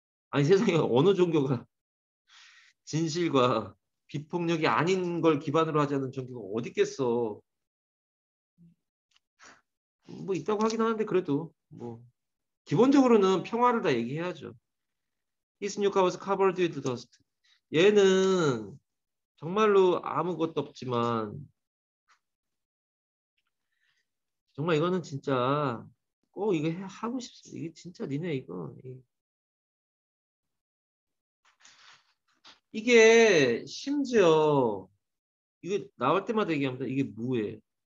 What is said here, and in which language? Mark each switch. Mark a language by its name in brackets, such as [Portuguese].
[Korean] 아니 세상에 어느 종교가 진실과 비폭력이 아닌 걸 기반으로 하자는 종교가 어디 있겠어? 뭐 있다고 하긴 하는데 그래도 뭐 기본적으로는 평화를 다 얘기해야죠. [English] His new car was covered with dust. [Korean] 얘는 정말로 아무것도 없지만 정말 이거는 진짜 꼭 이거 하고 싶어. 이게 진짜 니네 이거 이게 심지어 이게 나올 때마다 얘기합니다. 이게 뭐예요?